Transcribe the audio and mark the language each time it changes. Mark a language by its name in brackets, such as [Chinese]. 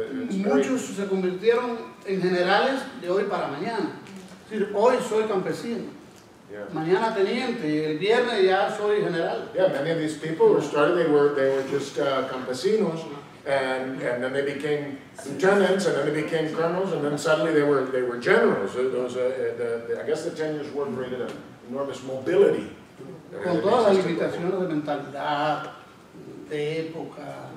[Spanish] Muchos se convirtieron en generales de hoy para mañana. Es decir, hoy soy campesino, mañana teniente, y el viernes ya soy general. [English] Yeah, many of these people were started, they were just campesinos, and then they became lieutenants, and then they became colonels, and then suddenly they were generals. I guess the Ten Years' War created an enormous mobility. [Spanish] Con todas las limitaciones de mentalidad, de época,